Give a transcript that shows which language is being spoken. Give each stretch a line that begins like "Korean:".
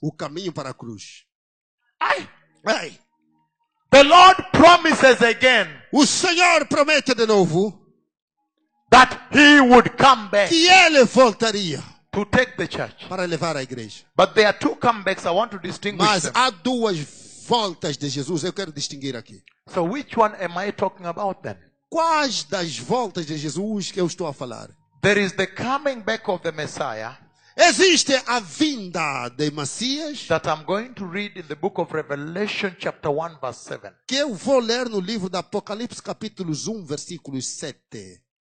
Portuguese: O caminho para a cruz. Ai. Ai.
English: The Lord promises again.
Portuguese: O Senhor promete de novo.
English: That he would come back.
Portuguese: Que ele voltaria.
English: To take the church.
Portuguese: Para levar a igreja.
English: But there are two comebacks I want to distinguish.
Portuguese: Mas
English: them.
Portuguese: Há duas voltas de Jesus, eu quero distinguir aqui.
English: So which one am I talking about then?
Portuguese: Quais das voltas de Jesus que eu estou a falar?
English: There is the coming back of the Messiah.
Portuguese: Existe a vinda de Messias.
English: That I'm going to read in the book of Revelation chapter 1 verse 7.
Portuguese: Que eu vou ler no livro do Apocalipse capítulo 1 versículo 7.